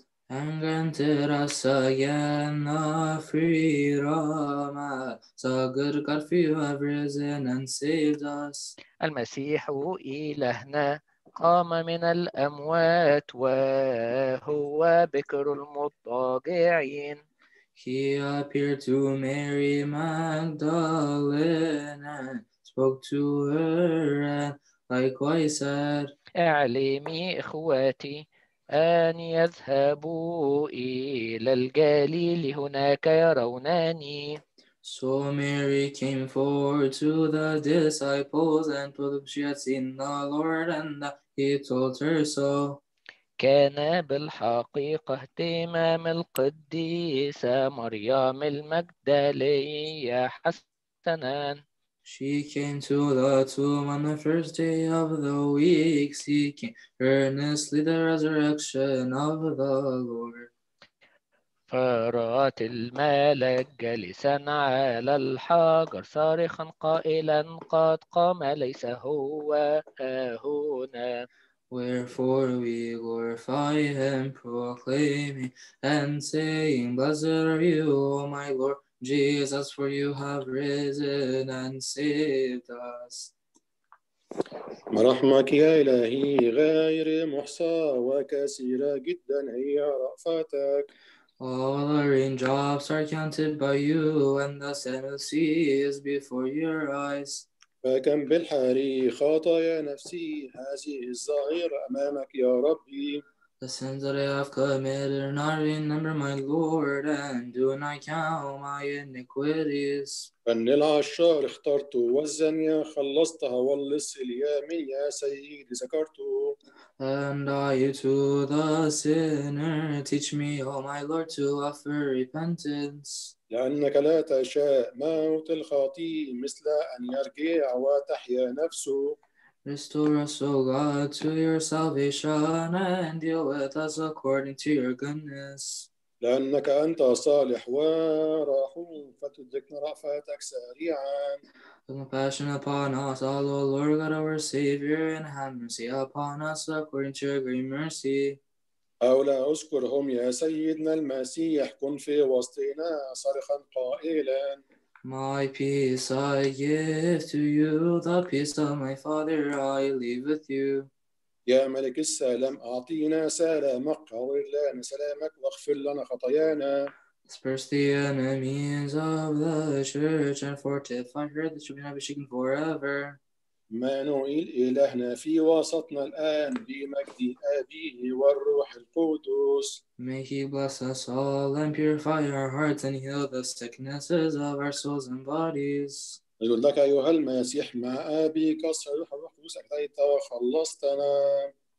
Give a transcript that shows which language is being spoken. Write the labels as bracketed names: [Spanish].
[English] And granted us again the freedom as a good God, for you have risen and saved us. [Arabic] المسيح إلهنا قام من الأموات وهو بكر المضاجعين. [English] He appeared to Mary Magdalene and spoke to her and likewise said, [Arabic] أعلمي إخواتي أن يذهبوا إلى الجليل هناك يرونني. [English] So Mary came forward to the disciples and told them she had seen the Lord and he told her so. [Arabic] كان بالحقيقة اهتمام القديسة مريم المجدلية حسنا. [English] She came to the tomb on the first day of the week, seeking earnestly the resurrection of the Lord. [Arabic] فرأت الملك جالسا على الحجر صارخا قائلا قد قام ليس هو هنا. [English] Wherefore we glorify him, proclaiming and saying, Blessed are you, O my Lord Jesus, for you have risen and saved us. [Arabic] رحمك يا إلهي غير محصى وكثيرة جدا هي رأفتك. [English] All the raindrops are counted by you, and the seven seas before your eyes. [Arabic] فكم بالحري خطايا نفسي هذه الظاهرة أمامك يا ربي. [English] The sins that I have committed are not remembered, my Lord, and do not count my iniquities. [Arabic] فن العشار اخترت والزانية خلصتها واللص اليامي يا سيد ذكرته. [English] And I to the sinner teach me, O my Lord, to offer repentance. [Arabic] لأنك لا تشاء موت الخاطي مثل أن يرجع وتحيا نفسه. [English] Restore us, O God, to your salvation and deal with us according to your goodness. [Arabic] لأنك أنت صالح ورحوم فتدركنا رأفتك سريعا. [English] Have compassion upon us, all, O Lord God, our Savior, and have mercy upon us according to your great mercy. [Arabic] أولى أذكرهم يا سيدنا المسيح كن في وسطنا صرخا قائلا. [English] My peace I give to you, the peace of my Father I leave with you. [Arabic] يا ملك السلام أعطينا سلامك قرر لنا سلامك واغفر لنا خطايانا. [English] Disperse the enemies of the church and fortify her that she may not be shaken forever. [Arabic] مانوئيل إلهنا في وسطنا الآن بمجد أبيه والروح القدس. [English] May he bless us all and purify our hearts and heal the sicknesses of our souls and bodies. [Arabic] نقول لك أيها المسيح مع أبيك أصحى روح القدس أتيت وخلصتنا.